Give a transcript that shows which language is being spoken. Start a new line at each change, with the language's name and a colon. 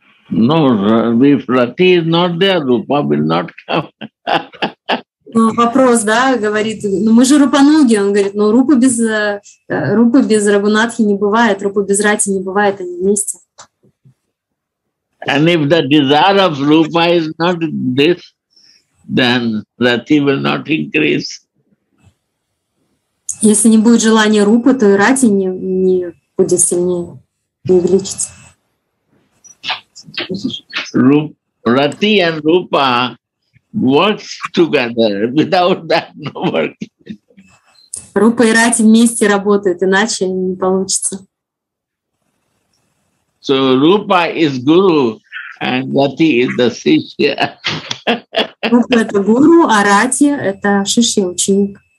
English: No, if rati is not there, rupa will not come.
Russian: Ну, вопрос, да, говорит, ну мы же рупануги, он говорит, ну рупы без рагунатхи не бывает, рупы без рати не бывает, они вместе.
English: And if the desire of rupa is not this, then rati will not increase.
Russian: Если не будет желания рупы, то и рати не будет сильнее, не увеличится.
English: Rati and rupa works together. Without that, no work.
Russian: Рупа и рати вместе работают, иначе не получится.
English: So rupa is guru, and rati is the shishya.
Russian: Рупа — это гуру, а рати — это шишья, ученик.